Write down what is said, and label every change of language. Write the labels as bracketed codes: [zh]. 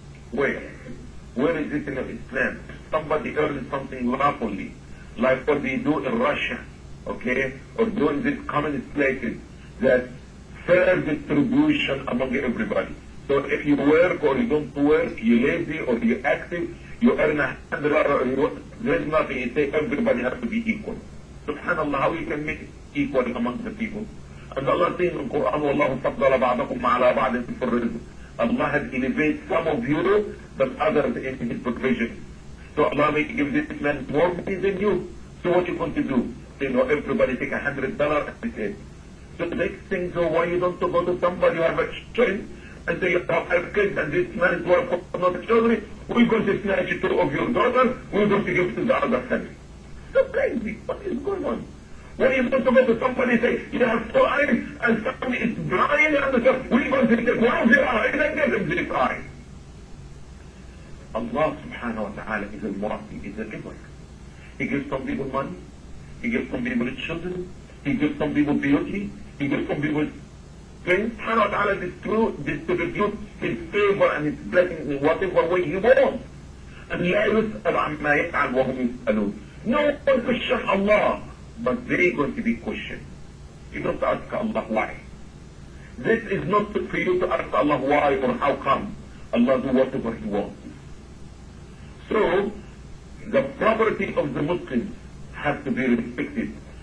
[en] Where is it in Islam? Somebody earns something lawfully, like what they do in Russia, okay, or doing this communist places, that fair distribution among everybody. So if you work or you don't work, you're lazy or you're active, you earn $100, there's nothing, you say everybody has to be equal. Subhanallah, how you can make it equal among the people? And Allah says in the Quran, [ar] وَاللَّهُ فَضَّلَ بَعْضَكُمْ عَلَى بَعْضٍ فِي الرِّزْقِ. [en] Allah has elevated some of you, but others in His provision. So Allah may give this man more money than you. So what are you going to do? Say, no, everybody take $100 and say, so the next thing, so why you don't go to somebody who have a strength? And say, you have kids, and this man is worth another children, we're going to snatch two of your daughters, we're going to give to the other family. So crazy, what is going on? When you go to go to somebody and say, you have two eyes, and somebody is blind, and they say, we're going to take one of your eyes and give him this eye. Allah subhanahu wa ta'ala is a mu'ati, is a giver. He gives some people money, He gives some people children, He gives some people beauty, He gives some people. When subhanahu wa ta'ala distributes His favor and His blessing in whatever way He wants. [ar] And لا يسأل عما يفعل وهم يسألون. [en] No one question Allah, but they're going to be questioned. You don't ask Allah why. This is not for you to ask Allah why or how come. Allah do whatever He wants. So, the property of the Muslims has to be respected.